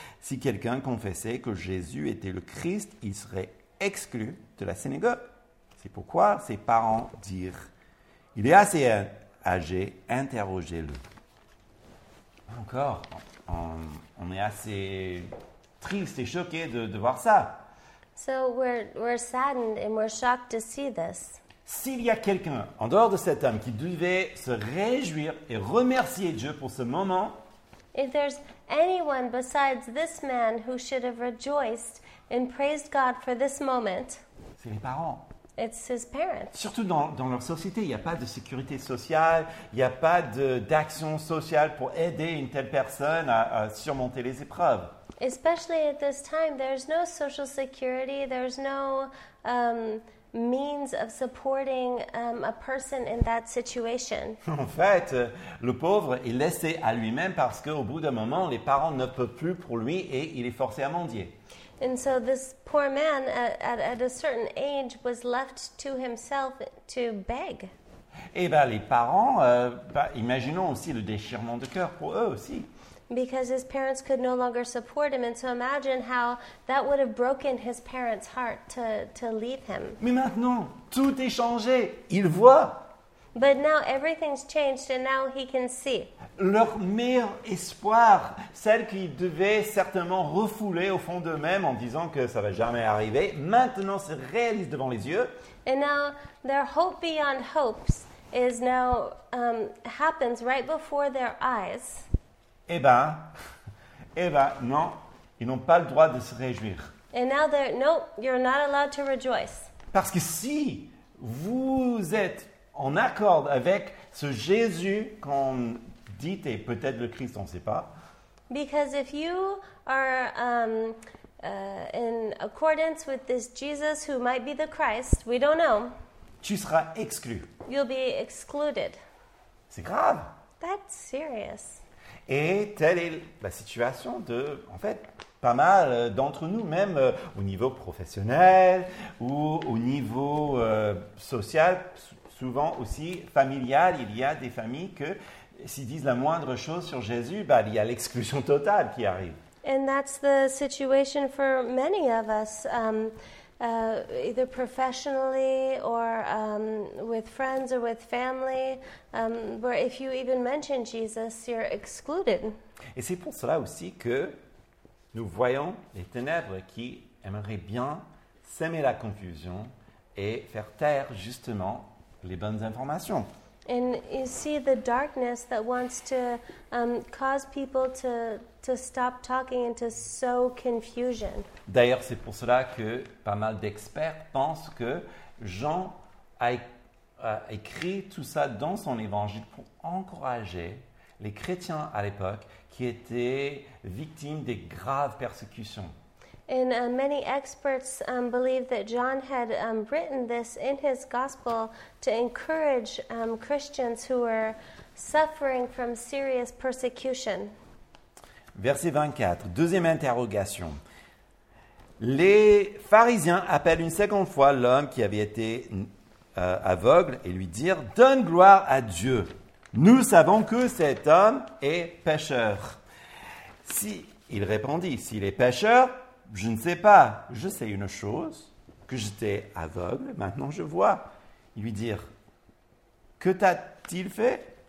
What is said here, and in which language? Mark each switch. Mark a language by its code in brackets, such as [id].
[fr] Si quelqu'un confessait que Jésus était le Christ, il serait exclu de la synagogue. C'est pourquoi ses parents dirent, il est assez âgé, interrogez-le. Encore, on est assez triste et choqué de voir ça. [en] So we're saddened and we're shocked to see this. [fr] S'il y a quelqu'un en dehors de cet homme qui devait se réjouir et remercier Dieu pour ce moment, [en] if there's anyone besides this man who should have rejoiced and praised God for this moment, [fr] c'est les parents. [en] It's his parents. [fr] Surtout dans leur société, il n'y a pas de sécurité sociale, il n'y a pas d'action sociale pour aider une telle personne à surmonter les épreuves. [en] Especially at this time, there's no social security, there's no means of supporting a person in that situation. [fr] En fait, le pauvre est laissé à lui-même parce qu'au bout d'un moment, les parents ne peuvent plus pour lui et il est forcé à mendier. [en] And so this poor man, at a certain age, was left to himself to beg. [fr] Et bien, les parents, imaginons aussi le déchirement de cœur pour eux aussi. [en] Because his parents could no longer support him. And so imagine how that would have broken his parents' heart to leave him. [fr] Mais maintenant, tout est changé. Il voit. [en] But now everything's changed and now he can see. [fr] Leur meilleur espoir, celle qu'ils devaient certainement refouler au fond d'eux-mêmes en disant que ça ne va jamais arriver, maintenant se réalise devant les yeux. [en] And now their hope beyond hopes is now happens right before their eyes. [fr] Eh ben, non, ils n'ont pas le droit de se réjouir. [en] And now they're, no, you're not allowed to rejoice. [fr] Parce que si vous êtes en accord avec ce Jésus qu'on dis t'es peut-être le Christ, on ne sait pas. [en] Because if you are in accordance with this Jesus who might be the Christ, we don't know. [fr] Tu seras exclu. [en] You'll be excluded. [fr] C'est grave. [en] That's serious. [fr] Et telle est la situation de, en fait, pas mal d'entre nous, même au niveau professionnel ou au niveau social, souvent aussi familial. Il y a des familles que s'ils disent la moindre chose sur Jésus, bah, il y a l'exclusion totale qui arrive. [en] And that's the situation for many of us, either professionally or with friends or with family, where if you even mention Jesus, you're excluded. [fr] Et c'est pour cela aussi que nous voyons les ténèbres qui aimeraient bien semer la confusion et faire taire justement les bonnes informations. [en] And you see the darkness that wants to cause people to stop talking and to sow confusion. [fr] D'ailleurs, c'est pour cela que pas mal d'experts pensent que Jean a écrit tout ça dans son évangile pour encourager les chrétiens à l'époque qui étaient victimes des graves persécutions. [en] And many experts believe that John had written this in his gospel to encourage Christians who were suffering from serious persecution. [fr] Verset 24, deuxième interrogation. Les pharisiens appellent une seconde fois l'homme qui avait été aveugle et lui dirent, « Donne gloire à Dieu. Nous savons que cet homme est pécheur. » Si, il répondit, « S'il est pécheur, je ne sais pas, je sais une chose, que j'étais aveugle, maintenant je vois. » Ils lui dirent, « Que t'a-t-il fait?